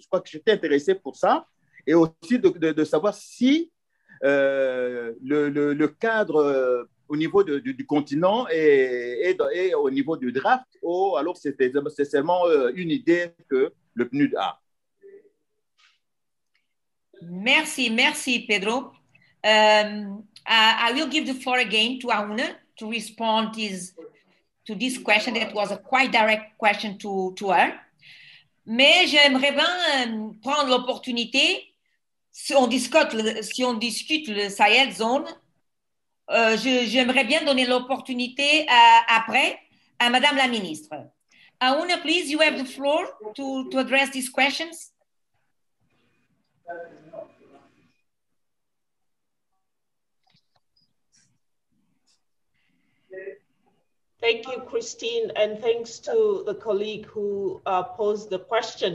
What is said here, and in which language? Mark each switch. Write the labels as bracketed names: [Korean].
[French] Je crois que j'étais intéressé pour ça et aussi de savoir si le cadre au niveau du continent est au niveau du draft ou alors c'est seulement une idée que le PNUD a. Merci Pedro. [English] I will give the floor again to Aouna to respond to this question that was a quite direct question to her. [French] Mais j'aimerais bien prendre l'opportunité, si on discute le Sahel Zone, j'aimerais bien donner l'opportunité après à Madame la Ministre. [English] Aouna, please, you have the floor to address these questions. Thank you, Christine, and thanks to the colleague who posed the question.